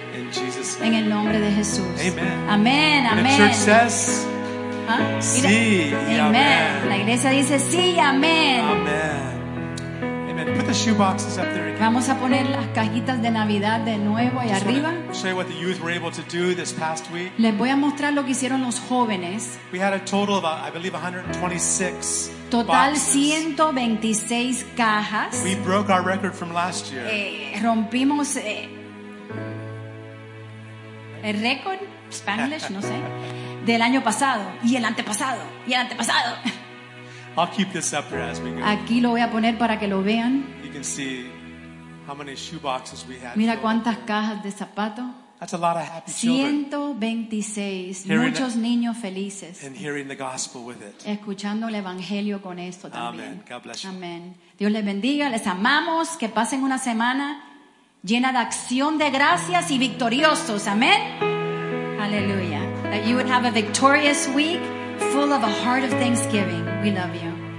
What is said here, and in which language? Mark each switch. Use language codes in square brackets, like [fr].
[en] In Jesus name. [es] En el nombre de Jesús. Amén. Amén. [en] The church says, [es] Sí, amén. La iglesia dice sí, amén. [en] Amen. Put the shoe boxes up there again. [es] Vamos a poner las cajitas de Navidad de nuevo ahí arriba. [en] Show you what the youth were able to do this past week. [es] Les voy a mostrar lo que hicieron los jóvenes. [en] We had a total of, I believe, 126. Total boxes. [es] 126 cajas. [en] We broke our record from last year. [es] Rompimos el récord Spanglish, no sé. Del año pasado y el antepasado y el antepasado. [en] I'll keep this up here as we go. [es] Aquí lo voy a poner para que lo vean. [en] You can see how many shoe boxes we had. [es] Mira cuántas cajas de zapatos. [en] That's a lot of happy children. [es] 126. Hearing muchos niños felices. [en] And hearing the gospel with it. [es] Escuchando el evangelio con esto también. [en] Amen. God bless you. [es] Amen. Dios les bendiga. Les amamos. Que pasen una semana llena de acción de gracias y victoriosos. [en] Amen. Hallelujah. That you would have a victorious week full of a heart of thanksgiving. We love you.